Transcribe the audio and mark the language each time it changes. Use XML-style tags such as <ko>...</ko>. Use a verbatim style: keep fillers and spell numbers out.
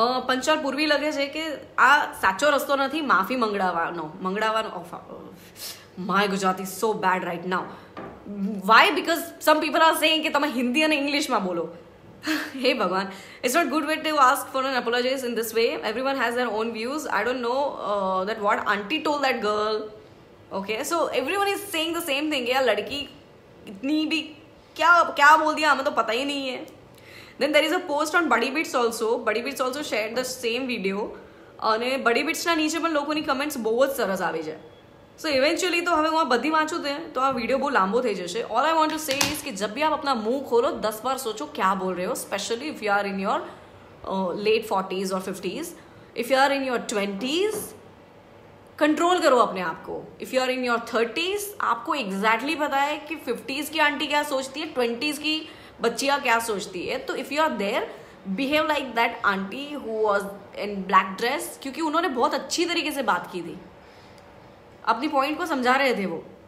<en>Panchal Purvi</en> <gu>લગે છે કે આ સાચો રસ્તો નથી માફી મંગળાવાનો મંગળાવાનો</gu> <en>my Gujarati so bad right now why because some people are saying</en> <gu>કે તમે હિન્દી અને ઇંગ્લિશમાં બોલો હે ભગવાન</gu> <en>it's not good way to ask for an apologies in this way everyone has their own views I don't know that what aunty told that girl okay so everyone is saying the same thing</en> <hi>યાર લડકી इतनी भी क्या क्या बोल दिया हमें तो पता ही नहीं है.</hi> <en>Then there is a post on Buddy Beats also. Buddy Beats also shared the same video.</en> <gu>અને Buddy Beats-ના નીચે પણ લોકોની કમેન્ટ્સ બહુ જ સરસ આવી છે. So eventually તો હવે હું આ બધી વાંચું તે તો આ વિડીયો બહુ લાંબો થઈ જશે.</gu> <en>All I want to say is</en> <hi>कि जब भी आप अपना मुंह खोलो दस बार सोचो क्या बोल रहे हो.</hi> <en>Especially if you are in your uh, late forties or fifties. If you are in your twenties,</en> <hi>control करो अपने आप को. If you are in your thirties आपको एग्जैक्टली पता है कि फिफ्टीज़ की आंटी क्या सोचती है, ट्वेंटीज़ की बच्चियाँ क्या सोचती है. तो if you are there behave like that aunty who was in black dress, क्योंकि उन्होंने बहुत अच्छी तरीके से बात की थी, अपनी पॉइंट को समझा रहे थे वो.</hi>